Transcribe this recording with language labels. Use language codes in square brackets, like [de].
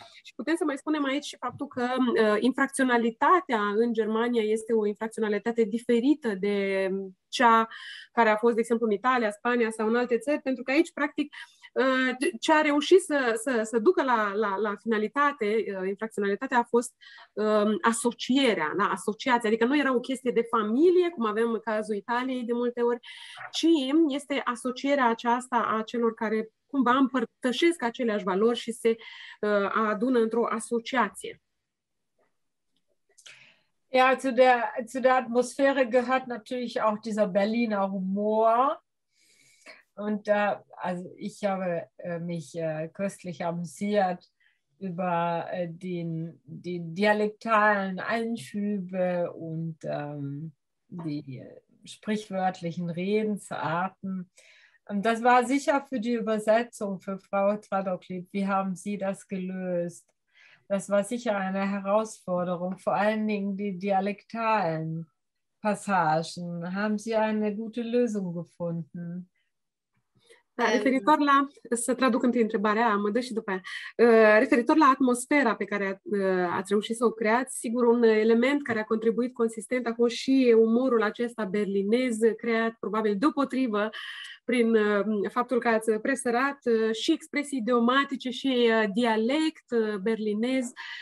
[ro] Și putem să mai spunem aici și faptul că infracționalitatea în Germania este o infracționalitate diferită de cea care a fost, de exemplu, în Italia, Spania sau în alte țări, pentru că aici, practic, ce a reușit să ducă la finalitate, infracționalitatea, a fost asocierea, da, asociația. Adică nu era o chestie de familie, cum avem în cazul Italiei de multe ori, ci este asocierea aceasta a celor care cumva împărtășesc aceleași valori și se adună într-o asociație. [de] Ja, zu der Atmosphäre gehört natürlich auch dieser Berliner Humor. Und da, also ich habe mich köstlich amüsiert über die dialektalen Einschübe und die sprichwörtlichen Redensarten. Und das war sicher für die Übersetzung, für Frau Tradoklid, wie haben Sie das gelöst? Das war sicher eine Herausforderung, vor allen Dingen die dialektalen Passagen. Haben Sie eine gute Lösung gefunden? [ro] Referitor la, să traduc întâi întrebarea, mă dă și după aia. Referitor la atmosfera pe care ați reușit să o creați, sigur, un element care a contribuit consistent a fost și umorul acesta berlinez, creat probabil deopotrivă prin faptul că ați presărat și expresii idiomatice și dialect berlinez.